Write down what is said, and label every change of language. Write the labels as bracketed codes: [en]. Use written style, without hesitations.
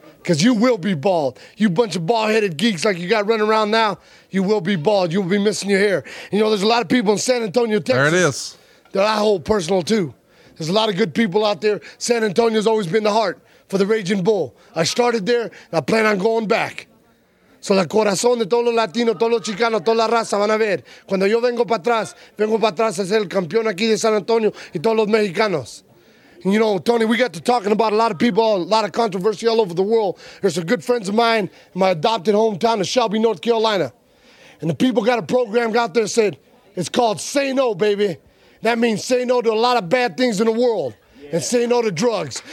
[en] Because you will be bald. You bunch of bald-headed geeks like you got running around now, you will be bald. You will be missing your hair. You know, there's a lot of people in San Antonio, Texas. There it is. That I hold personal, too. There's a lot of good people out there. San Antonio's always been the heart for the Raging Bull. I started there, and I plan on going back. [es] So la corazón de todos los latinos, todos los chicanos, toda la raza van a ver. Cuando yo vengo para atrás a ser el campeón aquí de San Antonio y todos los mexicanos. [en] You know, Tony, we got to talking about a lot of people, a lot of controversy all over the world. There's some good friends of mine in my adopted hometown of Shelby, North Carolina. And the people got a program out there said, it's called Say No, Baby. That means say no to a lot of bad things in the world. And say no to drugs.